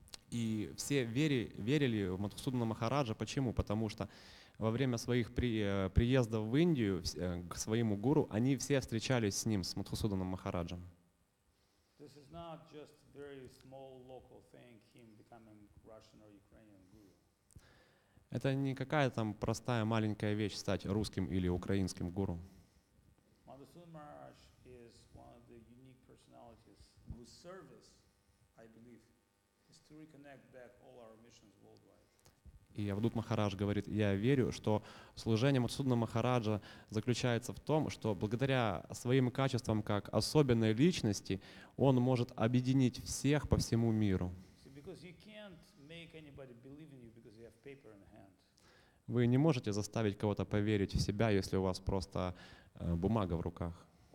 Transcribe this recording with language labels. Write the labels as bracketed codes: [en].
[ru] И все верили в Мадхусудана Махараджа. Почему? Потому что во время своих приездов в Индию к своему гуру, они все встречались с ним, с Мадхусуданом Махараджем. [en] This is not just very small local thing, him becoming Russian or Ukrainian guru. [ru] Это не какая-то там простая маленькая вещь стать русским или украинским гуру. [en] Мадхусудан Махарадж is one of the unique personalities whose service, I believe, to reconnect back all our missions worldwide. [ru] И Авадут Махарадж говорит, я верю, что служение Мадхусудана Махараджа заключается в том, что благодаря своим качествам как особенной личности он может объединить всех по всему миру. [en] See, because you can't make anybody believe in you because you have paper in hand. [ru] Вы не можете заставить кого-то поверить в себя, если у вас просто бумага в руках.